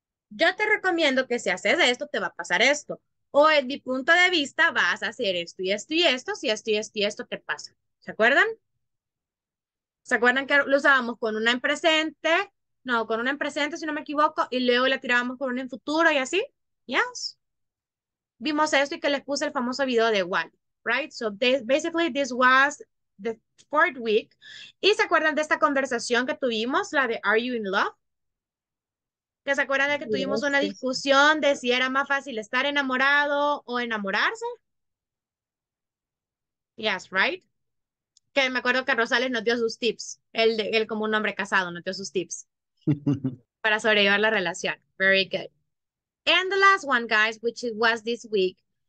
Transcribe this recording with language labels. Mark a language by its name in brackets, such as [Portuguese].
[Spanish] Yo te recomiendo que si haces esto, te va a pasar esto. O en mi punto de vista, vas a hacer esto y esto y esto, si esto y esto y esto te pasa. ¿Se acuerdan? ¿Se acuerdan que lo usábamos con una en presente? No, con una en presente, si no me equivoco, y luego la tirábamos con una en futuro y así. Yes. Vimos esto y que les puse el famoso video de Wally, right? [English] So this, basically this was the fourth week. [Spanish] ¿Y se acuerdan de esta conversación que tuvimos, la de Are You in Love? ¿Que se acuerdan de que tuvimos una discusión de si era más fácil estar enamorado o enamorarse? [English] Yes, right? [Spanish] Que me acuerdo que Rosales nos dio sus tips. Él como un hombre casado nos dio sus tips. Para sobrellevar la relación. [English] Very good. And the last one, guys, which was this week.